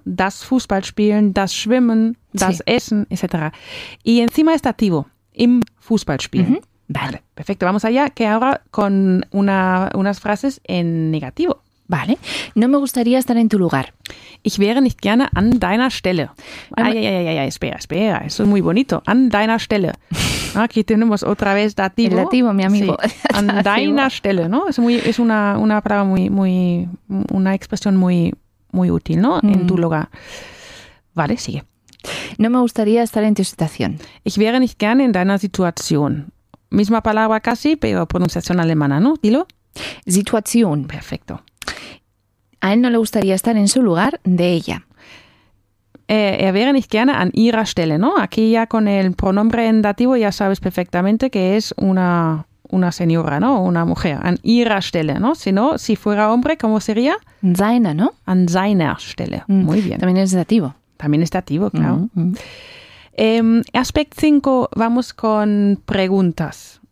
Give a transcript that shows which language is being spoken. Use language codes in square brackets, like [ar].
[de] Das Fußballspielen, das Schwimmen, das sí. Essen, etc. [es] Y encima es dativo, im Fußballspielen. Uh-huh. Vale, perfecto. Vamos allá, que ahora con unas frases en negativo. Vale. No me gustaría estar en tu lugar. [de] Ich wäre nicht gerne an deiner Stelle. [es] Ay, espera. Eso es muy bonito. [de] An deiner Stelle. [es] Aquí tenemos otra vez dativo. El dativo, mi amigo. Sí. [de] An deiner Stelle, ¿no? [es] Es una palabra una expresión muy útil, ¿no? Mm. En tu lugar. Vale, sigue. No me gustaría estar en tu situación. [de] Ich wäre nicht gerne in deiner Situation. [es] Misma palabra casi, pero pronunciación alemana, ¿no? Dilo. Situación. Perfecto. A él no le gustaría estar en su lugar de ella. [de] Er wäre nicht gerne an ihrer Stelle, ¿no? [es] Aquí ya con el pronombre en dativo ya sabes perfectamente que es una señora, ¿no? Una mujer. [de] An ihrer Stelle, [es] ¿no? Si no, si fuera hombre, ¿cómo sería? Seine, ¿no? [de] An seiner Stelle. Mm. [es] Muy bien. También es dativo. También es dativo, claro. Mm-hmm. Aspect 5, vamos con preguntas.